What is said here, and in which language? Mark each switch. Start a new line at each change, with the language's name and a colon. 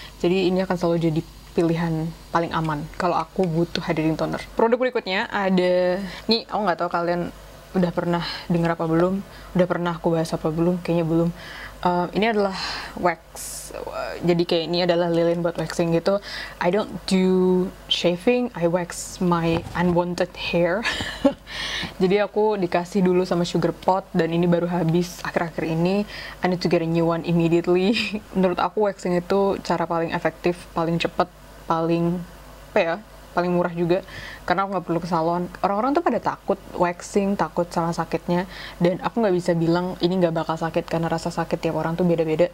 Indonesian: Jadi ini akan selalu jadi pilihan paling aman kalau aku butuh hydrating toner. Produk berikutnya ada, nih aku nggak tahu kalian udah pernah dengar apa belum, udah pernah aku bahas apa belum, kayaknya belum. Ini adalah wax. Jadi kayak ini adalah lilin buat waxing gitu.
English: I don't do shaving, I wax my unwanted hair.
Indonesian: Jadi aku dikasih dulu sama sugar pot dan ini baru habis akhir-akhir ini.
English: I need to get a new one immediately.
Indonesian: Menurut aku waxing itu cara paling efektif, paling cepat, paling apa ya, paling murah juga, karena aku nggak perlu ke salon. Orang-orang tuh pada takut waxing, takut sama sakitnya, dan aku nggak bisa bilang ini nggak bakal sakit karena rasa sakit tiap orang tuh beda-beda.